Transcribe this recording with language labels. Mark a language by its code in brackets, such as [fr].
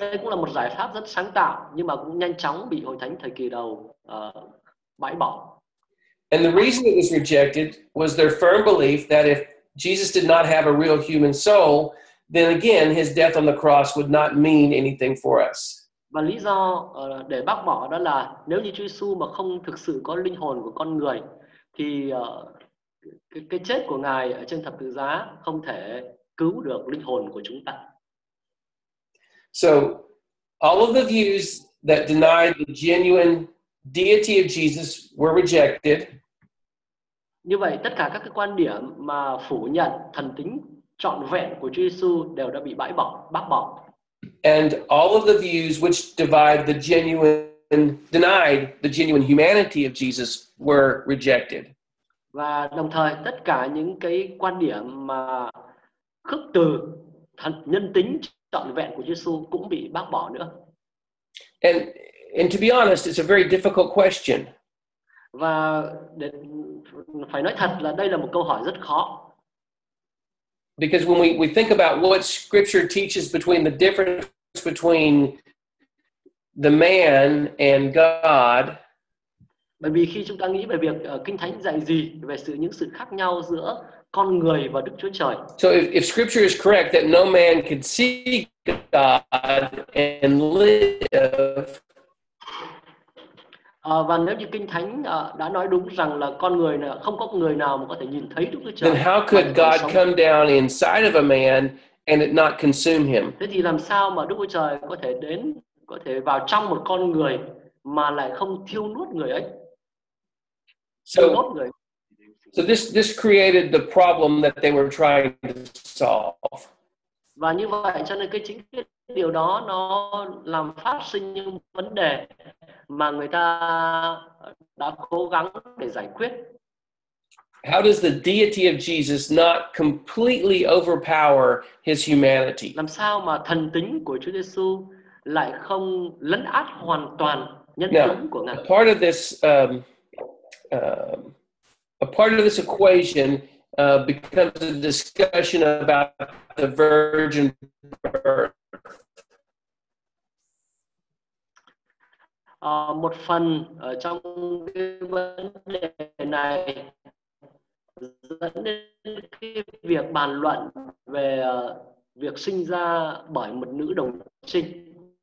[vi] Đây cũng là một giải pháp rất sáng tạo, nhưng mà cũng nhanh chóng bị hội thánh thời kỳ đầu bãi bỏ. [en] And the reason it was rejected was their firm belief that if Jesus did not have a real human soul, then again his death on the cross would not mean anything for us. [vi] Và lý do để bác bỏ đó là nếu như Chúa Giêsu mà không thực sự có linh hồn của con người thì cái chết của Ngài ở trên thập tự giá không thể cứu được linh hồn của chúng ta. [en] So, all of the views that denied the genuine deity of Jesus were rejected. [vi] Như vậy, tất cả các cái quan điểm mà phủ nhận thần tính trọn vẹn của Chúa Giêsu đều đã bị bãi bỏ, bác bỏ. [en] And all of the views which divide the genuine, denied the genuine humanity of Jesus were rejected. [vi] Và đồng thời, tất cả những cái quan điểm mà khước từ nhân tính trọn vẹn của Giêsu cũng bị bác bỏ nữa. [en] And to be honest, it's a very difficult question. [vi] Và để phải nói thật là đây là một câu hỏi rất khó. [en] Because when we think about what Scripture teaches between the difference between the man and God. [vi] Bởi vì khi chúng ta nghĩ về việc Kinh Thánh dạy gì về sự những sự khác nhau giữa con người và Đức Chúa Trời. [en] So if Scripture is correct that no man can see God and live. [vi] Và nếu như Kinh Thánh đã nói đúng rằng là con người là không có người nào mà có thể nhìn thấy Đức Chúa Trời. [en] Then how could God come down inside of a man and it not consume him? [vi] Thế thì làm sao mà Đức Chúa Trời có thể đến, có thể vào trong một con người mà lại không thiêu nuốt người ấy? [en] So this created the problem that they were trying to solve. [vi] Và như vậy cho nên cái chính cái điều đó nó làm phát sinh những vấn đề mà người ta đã cố gắng để giải quyết. [en] How does the deity of Jesus not completely overpower his humanity? [vi] Làm sao mà thần tính của Chúa Giêsu lại không lấn át hoàn toàn nhân tính của Ngài? [en] Part of this a part of this equation becomes a discussion about the virgin birth. [vi] Một phần trong cái vấn đề này dẫn đến cái việc bàn luận về việc sinh ra bởi một nữ đồng sinh.